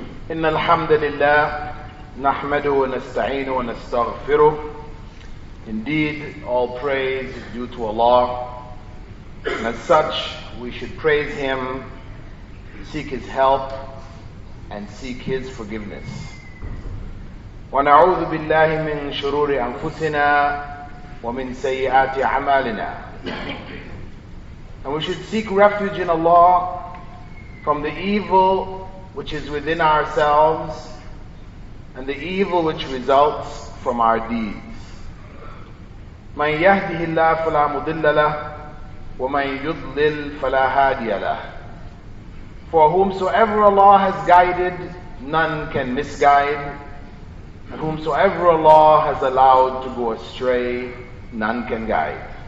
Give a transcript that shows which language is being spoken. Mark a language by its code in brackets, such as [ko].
[ar] إن الحمد لله نحمده ونستعينه ونستغفره. [en] Indeed, all praise is due to Allah. And as such, we should praise Him, seek His help, and seek His forgiveness. [ar] ونعوذ بالله من شرور أنفسنا ومن سيئات أعمالنا. [en] And we should seek refuge in Allah from the evil which is within ourselves, and the evil which results from our deeds. [ar] مَنْ يَهْدِهِ اللَّهِ فَلَا مُضِلَّ لَهِ وَمَنْ يُضْلِلْ فَلَا هَادِيَ لَهِ [en] For whomsoever Allah has guided, none can misguide, and whomsoever Allah has allowed to go astray, none can guide.